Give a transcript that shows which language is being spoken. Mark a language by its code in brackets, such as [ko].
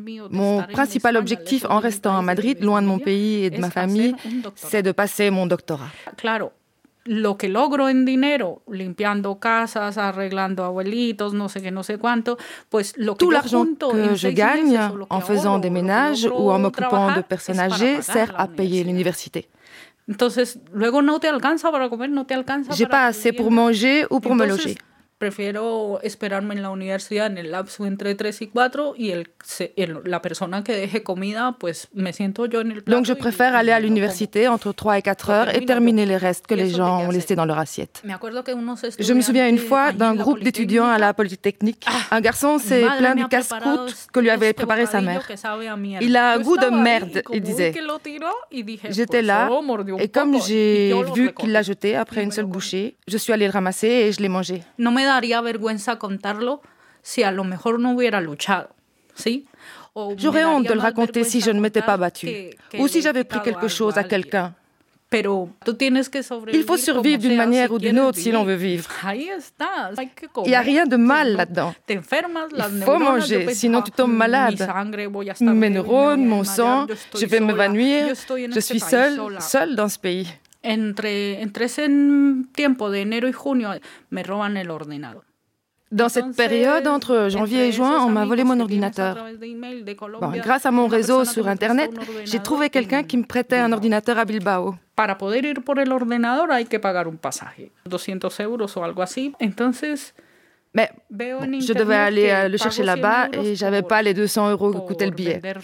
[fr] Mon principal objectif en restant à Madrid, loin de mon pays et de ma famille, c'est de passer mon doctorat. [es] Claro, lo que logro en dinero, limpiando casas, arreglando abuelitos, no sé qué, no sé cuánto, pues lo que [fr] tout l'argent que je gagne en faisant des ménages ou en m'occupant de personnes âgées sert à payer l'université. [es] Entonces, luego no te alcanza para comer, no te alcanza. [fr] J'ai pas assez pour manger ou pour me loger. [es] Prefiero esperarme en la universidad en el lapso entre 3 y 4 y la persona que deje comida, pues me siento yo en el plato. [fr] Donc je préfère aller à l'université entre 3 et 4 heures et terminer les restes que les gens ont laissés dans leur assiette. Je me souviens une fois d'un groupe d'étudiants à la Polytechnique. Un garçon s'est plaint du casse-croûte que lui avait préparé sa mère. Il a un goût de merde, il disait. J'étais là et comme j'ai vu qu'il l'a jeté après une seule bouchée, je suis allée le ramasser et je l'ai mangé. [es] Me daría vergüenza contarlo si a lo mejor no hubiera luchado, ¿sí? [fr] J'aurais honte de le raconter si je ne m'étais pas battue ou si j'avais pris quelque chose à quelqu'un. [es] Pero tú tienes que sobrevivir. [fr] Il faut survivre d'une manière ou d'une autre si l'on veut vivre. [es] Ahí está. [fr] Il n'y a rien de mal là-dedans. [es] Te enfermas las neuronas. [fr] Il faut manger, sinon tu tombes malade. Mes neurones, mon sang, je vais m'évanouir. Je suis seule dans ce pays. [es] Entre ese tiempo de enero y junio me roban el ordenador. [fr] Dans cette période, entre janvier et juin, on m'a volé mon ordinateur. Bon, grâce à mon réseau sur Internet, j'ai trouvé quelqu'un qui me prêtait un ordinateur à Bilbao. [es] Para poder ir por el ordenador hay que pagar un pasaje, 200 euros o algo así. Entonces, [fr] mais bon, je devais aller le chercher là-bas et j'avais pas les 200 euros que coûtait le billet.